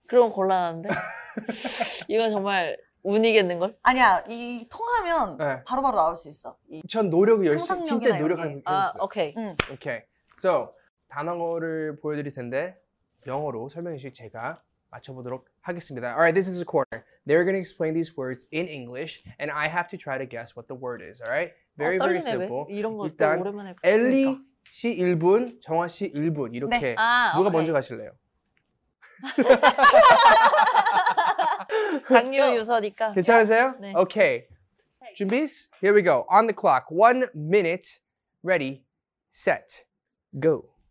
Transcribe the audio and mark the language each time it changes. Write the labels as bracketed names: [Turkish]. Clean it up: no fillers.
[Korean] 그럼 곤란한데? 이거 정말 운이겠는걸? 아니야, 이 통하면 바로바로 네. 바로 나올 수 있어. 전 노력을 열심히, 진짜 노력하는 느낌이었어. 오케이. 오케이. So, 단어를 보여드릴 텐데 영어로 설명해주시고 제가 맞춰보도록 하겠습니다. [English] Alright, this is a corner. They're going to explain these words in English and I have to try to guess what the word is, alright? Very, [Korean] 아, 떨리네, [English] very simple. [Korean] 왜? 이런 거 일단 오랜만에 엘리 씨 1분, 정화 씨 1분 이렇게 네. 아, 누가 오케이. 먼저 가실래요? 장유 유서니까 [English] 괜찮으세요? 네. 오케이. 준비? Here we go. On the clock. 1 minute. Ready, set, go.